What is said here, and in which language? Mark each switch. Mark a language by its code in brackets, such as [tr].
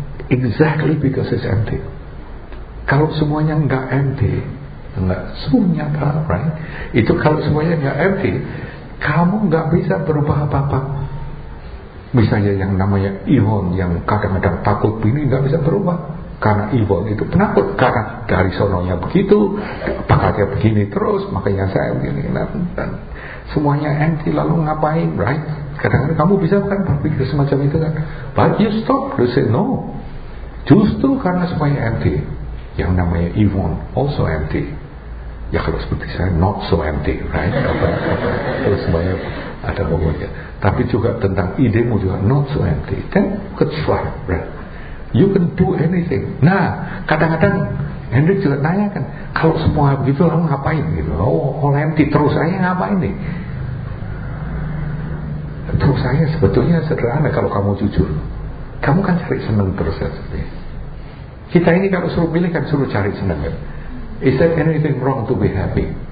[en] Exactly because it's empty. [id] Kalau semuanya enggak empty, enggak sunyi, [en] right? [id] Itu kalau semuanya enggak empty, kamu enggak bisa berubah apa-apa. Misalnya yang namanya Ihon yang kadang-kadang takut ini enggak bisa berubah. Karena Iwan itu penakut, karena dari sononya begitu, pakatnya begini terus, makanya saya begini. Dan semuanya empty, lalu ngapain, [en] right? [id] Kadang-kadang kamu bisa kan berpikir semacam itu kan? [en] But you stop, you say no. [id] Justru karena semuanya empty, yang namanya Iwan also empty. Ya kalau seperti saya, [en] not so empty, right? [id] Terus semuanya ada bangunnya. Tapi juga tentang idemu juga [en] not so empty. Then what's wrong, right? You can do anything. [id] Nah, kadang-kadang Hendrik juga tanya kan, kalau semua begitu, lalu ngapain? Oh, empty terus saya ngapain nih? Terus saya sebetulnya sederhana kalau kamu jujur. Kamu kan cari senang terus ya. Kita ini kalau suruh pilih kan suruh cari senang. Ya. [en] Is there anything wrong to be happy?